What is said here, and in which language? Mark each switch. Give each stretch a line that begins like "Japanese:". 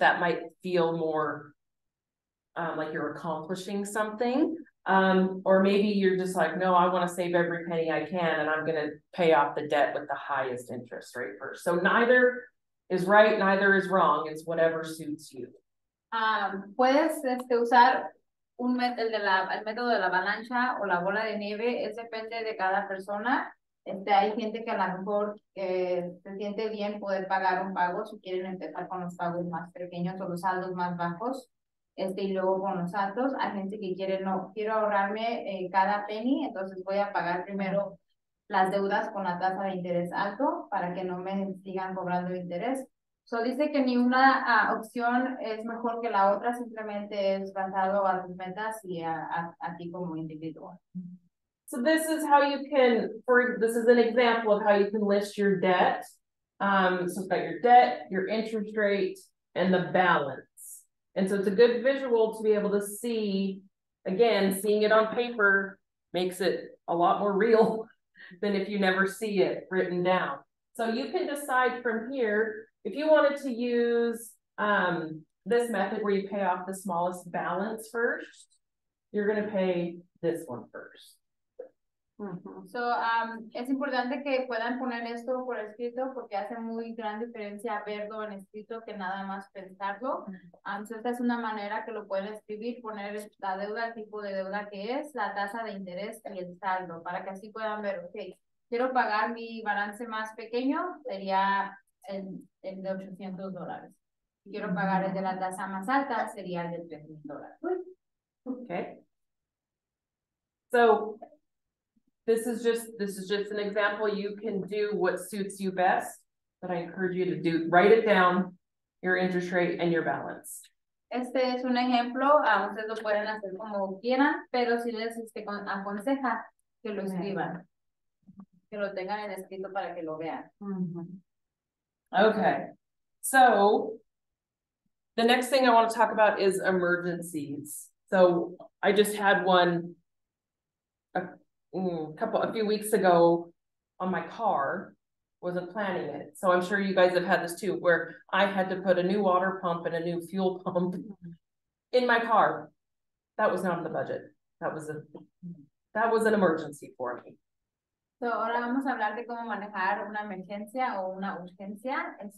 English: That might feel more like you're accomplishing something. Or maybe you're just like, no, I want to save every penny I can, and I'm going to pay off the debt with the highest interest rate first. So neither is right, neither is wrong. It's whatever suits you.
Spanish: Puedes usar un método de el método de la avalancha o la bola de nieve. Es depende de cada persona. Hay gente que a lo mejor se siente bien poder pagar un pago si quieren empezar con los pagos más pequeños o los saldos más bajos. Y luego con los saldos, hay gente que quiere, no, quiero ahorrarme cada penny, entonces voy a pagar primero las deudas con la tasa de interés alto para que no me sigan cobrando interés. So dice que ni una opción es mejor que la otra, simplemente es basado a tus metas y a ti como individuo.
English: So this is how you can, this is an example of how you can list your debt. So it's got your debt, your interest rate, and the balance. And so it's a good visual to be able to see, again, seeing it on paper makes it a lot more real than if you never see it written down. So you can decide from here, if you wanted to use this method where you pay off the smallest balance first, you're going to pay this one first. Mm-hmm.
Spanish: So es importante que puedan poner esto por escrito porque hace muy gran diferencia verlo en escrito que nada más pensarlo. So esta es una manera que lo pueden escribir, poner la deuda, el tipo de deuda que es, la tasa de interés y el saldo para que así puedan ver, okay, quiero pagar mi balance más pequeño, sería el de $800. Si quiero pagar el de la tasa más alta, sería el de $3,000.
English: Okay. So This is just an example. You can do what suits you best, but I encourage you to do write it down, your interest rate and your balance.
Spanish: Este es un ejemplo. Ustedes lo pueden hacer como quieran, pero si les aconseja que lo escriban, que lo tengan en escrito para que lo vean. Mm-hmm. Okay.
English: So the next thing I want to talk about is emergencies. So I just had one. A few weeks ago on my car, wasn't planning it. So I'm sure you guys have had this too, where I had to put a new water pump and a new fuel pump in my car. That was not in the budget. That was an emergency for me.
Spanish: So ahora vamos a hablar de cómo manejar una emergencia o una urgencia.